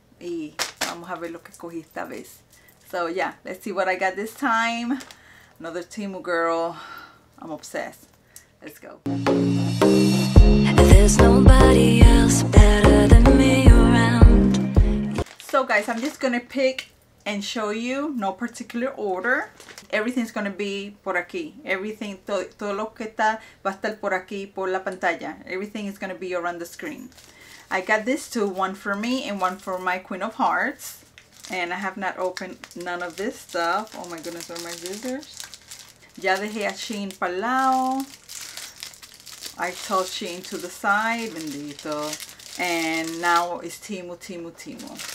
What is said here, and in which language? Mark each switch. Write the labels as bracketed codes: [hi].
[es] Y vamos a ver lo que cogí esta vez. [en] So, yeah, let's see what I got this time. Another Temu girl. I'm obsessed. Let's go. There's nobody else better than me around. So, guys, I'm just going to pick and show you, no particular order. Everything's going to be [es] por aquí. [en] Everything, [es] todo lo que está va a estar por aquí, por la pantalla. [en] Everything is going to be around the screen. I got these two, one for me and one for my Queen of Hearts. And I have not opened none of this stuff. Oh my goodness, where are my scissors? [es] Ya dejé a Shein para lado. [en] I told Shein to the side, [es] bendito. [en] And now it's Temu, Temu, Temu.